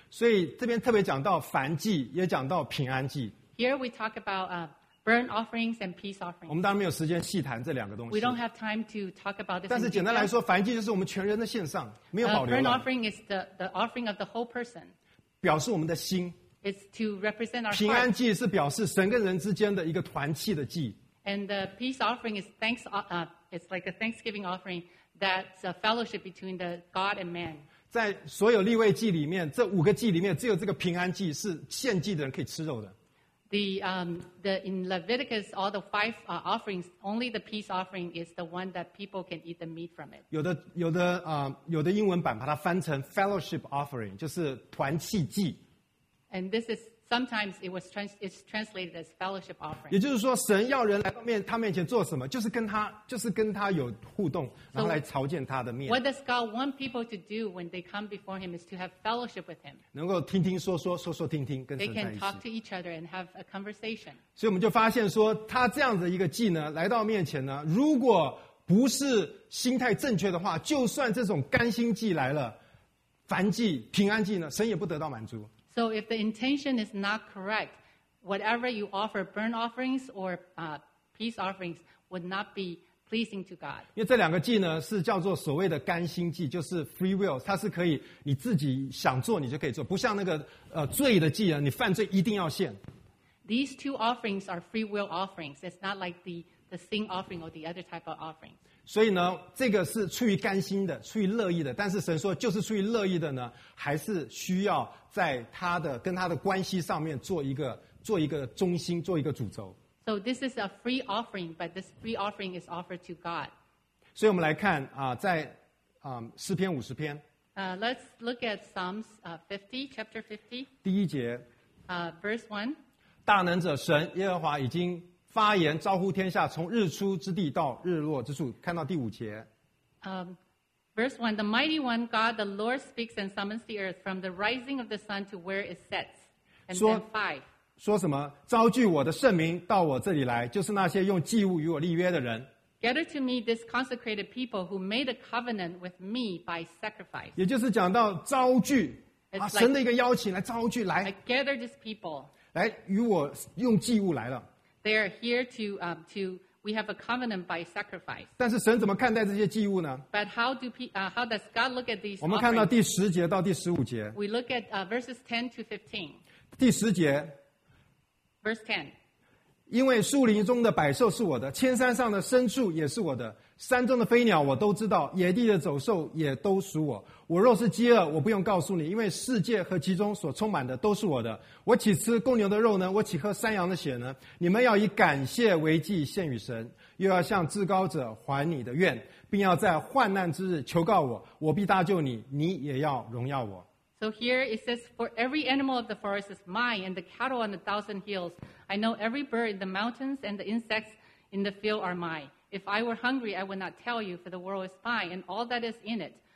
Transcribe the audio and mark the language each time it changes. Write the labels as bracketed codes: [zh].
[zh] 所以这边特别讲到燔祭，也讲到平安祭。 [en] Here we talk about burnt offerings and peace offerings. [zh] 我们当然没有时间细谈这两个东西。 [en] We don't have time to talk about this. [zh] 但是简单来说，燔祭就是我们全人的献上，没有保留了。 [en] Burnt offering is the offering of the whole person. [zh] 表示我们的心。 [en] It's to represent our [zh] 平安祭是表示神跟人之间的一个团契的祭。 [en] And the peace offering is thanks. It's like a thanksgiving offering. That's a fellowship between the God and man. [zh] 在所有立位祭里面，这五个祭里面，只有这个平安祭是献祭的人可以吃肉的。 [en] The in Leviticus, all the five offerings, only the peace offering is the one that people can eat the meat from it. [zh] 有的英文版把它翻成 [en] fellowship offering, [zh] 就是团契祭。 [en] And this is sometimes it's translated as fellowship offering. [zh] 也就是说，神要人来到他面前做什么，就是跟他有互动，然后来朝见他的面。 [en] So, what does God want people to do when they come before Him is to have fellowship with Him. [zh] 能够听听说说，说说听听，跟神在一起。 [en] They can talk to each other and have a conversation. [zh] 所以我们就发现说，他这样的一个祭呢，来到面前呢，如果不是心态正确的话，就算这种甘心祭来了，燔祭、平安祭呢，神也不得到满足。 [en] So if the intention is not correct, whatever you offer, burnt offerings or peace offerings, would not be pleasing to God. [zh] 因为这两个祭呢，是叫做所谓的甘心祭，就是 [en] free will, [zh] 它是可以你自己想做你就可以做，不像那个罪的祭啊，你犯罪一定要献。 [en] These two offerings are free will offerings. It's not like the sin offering or the other type of offering. [zh] 所以呢，这个是出于甘心的，出于乐意的。但是神说，就是出于乐意的呢，还是需要。在他的跟他的关系上面做一个中心，做一个主轴。 [en] So this is a free offering, but this free offering is offered to God. [zh] 所以我们来看在诗篇五十篇。 [en] Let's look at Psalms 50, chapter 50. [zh] 第一节。 [en] Verse 1. [zh] 大能者神耶和华已经发言招呼天下，从日出之地到日落之处，看到第五节。 [en] Verse 1, the mighty one, God, the Lord speaks and summons the earth from the rising of the sun to where it sets. And then 5. [zh] 说什么？招聚我的圣民到我这里来，就是那些用祭物与我立约的人。 [en] Gather to me this consecrated people who made a covenant with me by sacrifice. [zh] 也就是讲到招聚，神的一个邀请来招聚来。 [en] I gather these people. [zh] 来与我用祭物来了。 [en] They are here to We have a covenant by sacrifice. [zh] 但是神怎么看待这些祭物呢？ [en] But how does God look at these? [zh] 我们看到第十节到第十五节。 [en] We look at verses 10 to 15. [zh] 第十节。 [en] Verse 10. [zh] 因为树林中的百兽是我的，千山上的牲畜也是我的，山中的飞鸟我都知道，野地的走兽也都属我。我若是饥饿，我不用告诉你，因为世界和其中所充满的都是我的。我岂吃公牛的肉呢？我岂喝山羊的血呢？你们要以感谢为祭献与神，又要向至高者还你的愿，并要在患难之日求告我，我必搭救你，你也要荣耀我。 [en] So here it says, for every animal of the forest is mine, and the cattle on the thousand hills. I know every bird in the mountains, and the insects in the field are mine. If I were hungry, I would not tell you, for the world is mine, and all that is in it.